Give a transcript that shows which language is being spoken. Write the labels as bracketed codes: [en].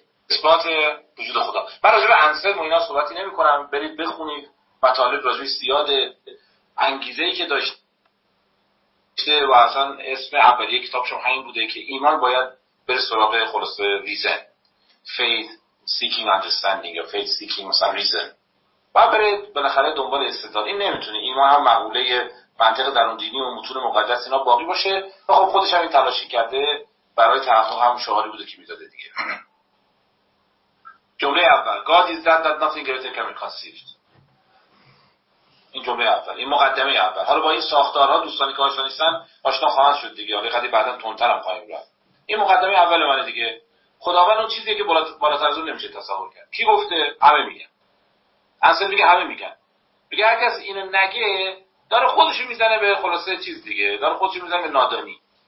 [fa] اثبات وجود خدا، من راجع به انسلم و اینا صحبتی نمی کنم، برید بخونید مطالب راجع به سیاد، انگیزه ای که داشته و اصلا اسم اولیه کتابشون همین بوده که ایمان باید بره سراغ خلاصه ریزن، [en] faith seeking understanding [fa] یا faith seeking مثلا ریزن، و برید بالاخره دنبال استدلال. این نمیتونه، ایمان هم معقوله منطق درون دینی و متون مقدس اینا باقی باشه. خب خودش هم این تلاشی کرده برای تحقق هم شعاری بوده که میداده دیگه. جمله اول، [en] God is that that nothing greater can be conceived. [fa] این جمله اول، این مقدمه اول. حالا با این ساختارها دوستانی که آشنا نیستن آشنا خواهند شد دیگه، حالا خیلی بعدا تندتر هم خواهیم رفت. این مقدمه اول منه دیگه. خداوند اون چیزیه که بالاتر از اون نمیشه تصور کرد. کی گفته؟ همه میگن. اصلا میگه همه میگن. میگه هر کس اینو نگه داره خودشو میزنه به خلاصه چیز دیگه، داره خودشو میزنه به نادانی.